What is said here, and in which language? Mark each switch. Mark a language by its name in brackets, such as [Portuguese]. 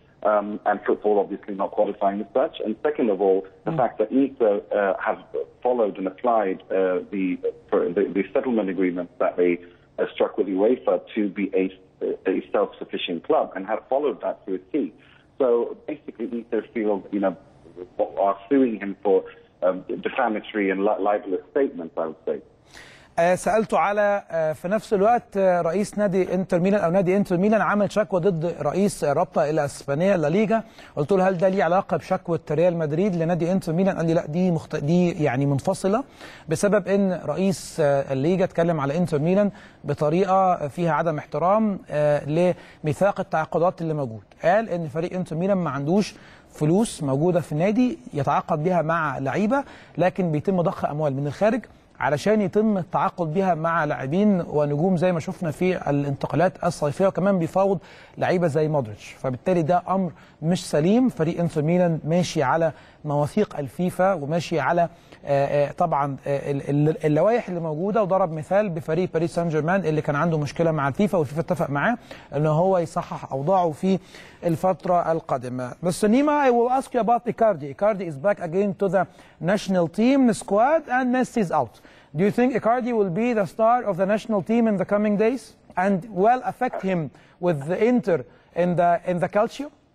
[English] And football obviously not qualifying as such. And second of all, the fact that Nice have followed and applied the settlement agreement that they struck with UEFA to be a self-sufficient club and have followed that to a T. So basically, Nice feel, you know, are suing him for defamatory and libelous statements, I would say. [Arabic] سألته على في نفس الوقت رئيس نادي انتر ميلان او نادي انتر ميلان عمل شكوى ضد رئيس رابطه الاسبانيه لليغا، قلت له هل ده ليه علاقه بشكوى ريال مدريد لنادي انتر ميلان؟ قال لي لا دي دي يعني منفصله بسبب ان رئيس الليغا اتكلم على انتر ميلان بطريقه فيها عدم احترام لميثاق التعاقدات اللي موجود، قال ان فريق انتر ميلان ما عندوش فلوس موجوده في النادي يتعاقد بها مع لعيبه، لكن بيتم ضخ اموال من الخارج علشان يتم التعاقد بها مع لاعبين ونجوم زي ما شفنا في الانتقالات الصيفية، وكمان بيفاوض لعيبة زي مودريتش، فبالتالي ده أمر مش سليم. فريق انتر ميلان ماشي على مواثيق الفيفا وماشي على طبعا اللوائح اللي موجودة، وضرب مثال بفريق باريس سان جيرمان اللي كان عنده مشكلة مع الفيفا والفيفا اتفق معاه أنه هو يصحح أوضاعه في الفترة القادمة. [English] بس نيما، I will ask you about Icardi. Icardi is back again to the national team squad and Messi is out. Do you think Icardi will be the star of the national team in the coming days and will affect him with the Inter in the Calcio?